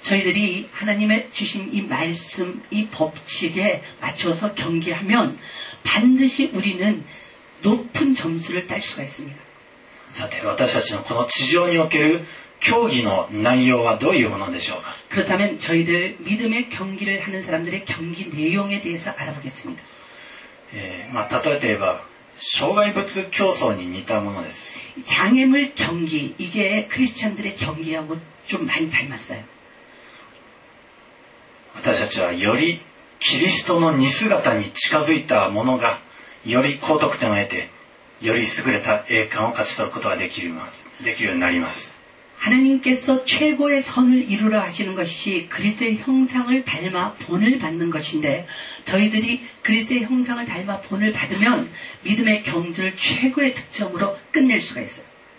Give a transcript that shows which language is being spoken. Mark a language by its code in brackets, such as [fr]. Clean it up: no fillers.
[ko] 저희들이하나님의주신이말씀이법칙에맞춰서경기하면반드시우리는높은점수를딸수가있습니다 [ja] さて私たちのこの地上における競技の内容はどういうものでしょうか [ko] 그렇다면저희들믿음의경기를하는사람들의경기내용에대해서알아보겠습니다 [ja] まあ例えて言えば障害物競争に似たものです [ko] 장애물경기이게크리스천들의경기하고좀많이닮았어요 [ja] 私たちはよりキリストの似姿に近づいたものがより高得点を得てより優れた栄冠を勝ち取ることができます。できるようになります [ko] 하나님께서최고의선을이루려하시는것이그리스도의형상을닮아본을받는것인데저희들이그리스도의형상을닮아본을받으면믿음의경주를최고의득점으로끝낼수가있어요